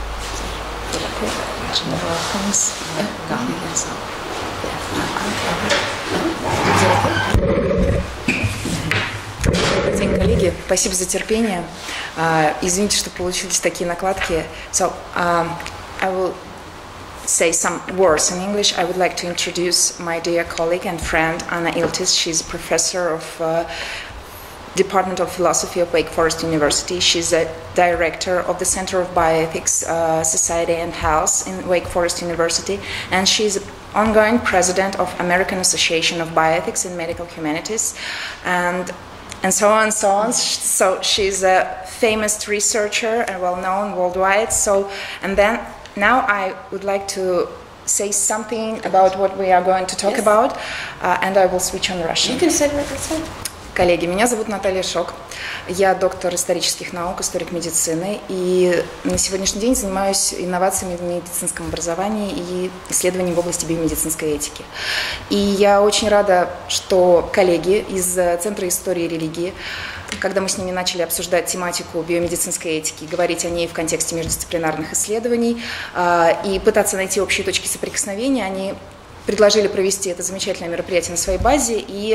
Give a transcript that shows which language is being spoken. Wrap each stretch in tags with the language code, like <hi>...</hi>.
<en>comes coming and so.</en> <ru>Коллеги, спасибо за терпение. Извините, что получились такие накладки.</ru> <en>So, I will say some words in English. I would like to introduce my dear colleague and friend, Ана Илтис. She's a professor of Department of Philosophy of Wake Forest University. She's a director of the Center of Bioethics, Society and Health in Wake Forest University. And she's a ongoing president of American Association of Bioethics and Medical Humanities. And so on and so on. So she's a famous researcher and well-known worldwide. So, and then now I would like to say something about what we are going to talk yes. about. And I will switch on Russian. You can say what you said.</en> <ru>Коллеги, меня зовут Наталья Шок. Я доктор исторических наук, историк медицины. И на сегодняшний день занимаюсь инновациями в медицинском образовании и исследованиями в области биомедицинской этики. И я очень рада, что коллеги из Центра истории и религии, когда мы с ними начали обсуждать тематику биомедицинской этики, говорить о ней в контексте междисциплинарных исследований и пытаться найти общие точки соприкосновения, они предложили провести это замечательное мероприятие на своей базе и...</ru>